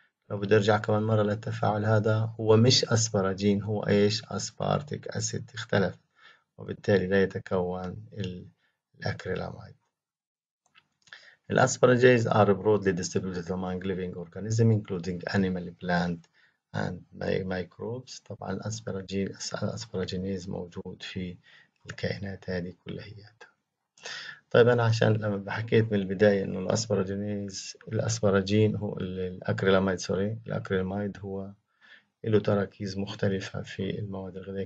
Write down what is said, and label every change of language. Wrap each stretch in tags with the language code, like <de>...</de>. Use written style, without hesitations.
<ar>لو بدي أرجع كمان مرة للتفاعل هذا، هو مش أسبرجين، هو إيش؟ أسبارتيك أسيد اختلف، وبالتالي لا يتكون الأكريلامايد.</ar> <en>الأسبرجيز are broadly distributed among living organisms including animal, plant and microbes.</en> <ar>طبعا الأسبرجينيز موجود في الكائنات هذه كلياتها. طيب أنا عشان لما حكيت من البداية إنه الأسبرجين هو الأكريلامايد، سوري، الأكريلامايد هو له تراكيز مختلفة في المواد الغذائية.</ar>